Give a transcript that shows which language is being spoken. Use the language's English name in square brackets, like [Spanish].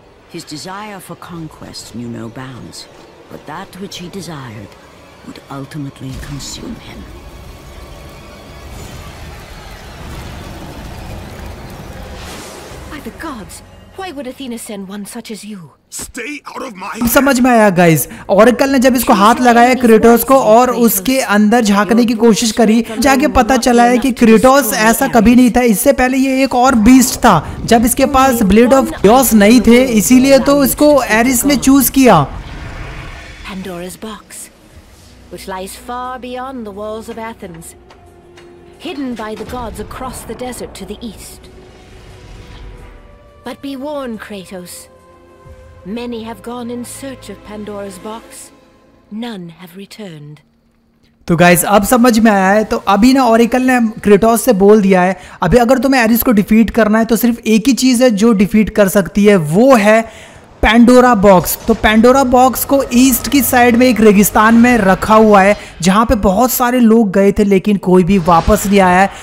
[English] His desire for conquest knew no bounds, but that which he desired would ultimately consume him. By the gods! Why would Athena send one such as you? Stay out of my... [Hindi] समझ में आया guys, Oracle ने जब इसको हाथ लगाया Kratos को और उसके अंदर झांकने की कोशिश करी, जाके पता चला है कि क्रेटोस ऐसा कभी नहीं था, इससे पहले ये एक और बीस्ट था। जब इसके पास ब्लेड ऑफ क्रेटोस नहीं थे, इसीलिए तो इसको एरिस ने चूज किया। [English] Pandora's box, which lies far beyond the walls of Athens, hidden by the gods across the desert to the east. But be warned, Kratos. Many have gone in search of Pandora's box. None have returned. [Hindi] तो guys अब समझ में आया है, तो अभी ना Oracle ने क्रेटोस से बोल दिया है, अभी अगर तुम्हें एरिस को डिफीट करना है तो सिर्फ एक ही चीज है जो डिफीट कर सकती है, वो है पैंडोरा बॉक्स। तो पैंडोरा बॉक्स को ईस्ट की साइड में एक रेगिस्तान में रखा हुआ है, जहाँ पे बहुत सारे लोग गए थे लेकिन कोई भी वापस नहीं आया है।